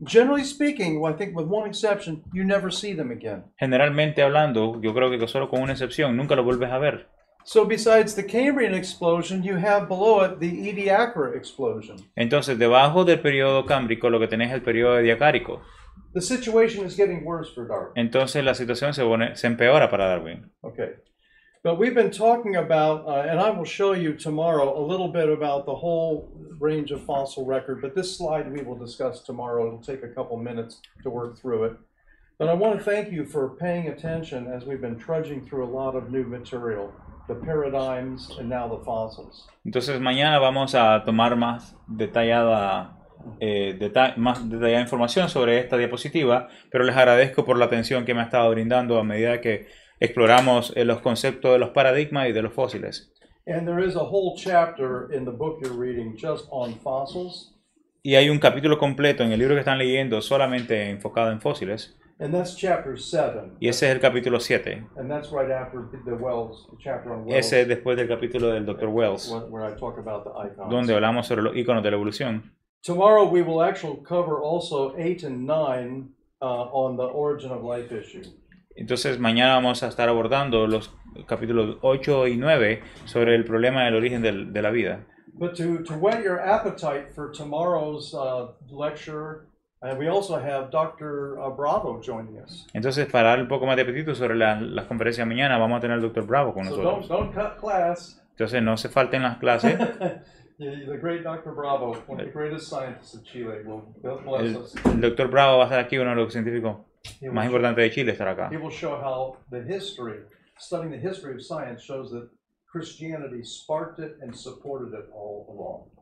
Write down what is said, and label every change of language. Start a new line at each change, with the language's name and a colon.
English: Generally speaking, well, I think with one exception, you never see them again.
Spanish: Generalmente hablando, yo creo que solo con una excepción, nunca lo vuelves a ver.
English: So besides the Cambrian explosion, you have below it the Ediacara explosion.
Spanish: Entonces, debajo del periodo cámbrico, lo que tenés es el periodo Diacárico.
English: The situation is getting worse for Darwin.
Spanish: Entonces, la situación se empeora para Darwin.
English: Okay. But we've been talking about, and I will show you tomorrow, a little bit about the whole range of fossil record. But this slide we will discuss tomorrow. It'll take a couple minutes to work through it. But I want to thank you for paying attention as we've been trudging through a lot of new material. The paradigms and now the fossils.
Spanish: Entonces mañana vamos a tomar más detallada más detallada información sobre esta diapositiva, pero les agradezco por la atención que me ha estado brindando a medida que exploramos los conceptos de los paradigmas y de los fósiles.
English: And there is a whole chapter in the book you're reading just on fossils.
Spanish: Y hay un capítulo completo en el libro que están leyendo solamente enfocado en fósiles.
English: And that's chapter 7.
Spanish: Y ese es el capítulo 7.
English: And that's right after the Wells, the chapter on
Spanish: Wells. Ese es después del capítulo del Dr. Wells.
English: Where I talk about the icons.
Spanish: Donde hablamos sobre los iconos de la evolución.
English: Tomorrow we will actually cover also 8 and 9 on the origin of life issue.
Spanish: Entonces mañana vamos a estar abordando los capítulos 8 y 9 sobre el problema del origen de la vida.
English: But to whet your appetite for tomorrow's lecture, and we also have Dr. Bravo joining us.
Spanish: Entonces, para dar un poco más de apetito sobre las conferencias de mañana, vamos a tener al Dr. Bravo con nosotros.
English: So don't cut class.
Spanish: Entonces, no se falten las clases.
English: The great Dr. Bravo, one of the greatest scientists of Chile, will bless us.
Spanish: El Dr. Bravo va a estar aquí, uno de los científicos más importantes de Chile, estará acá.
English: He will show how the history, studying the history of science, shows that Christianity sparked it and supported it all along.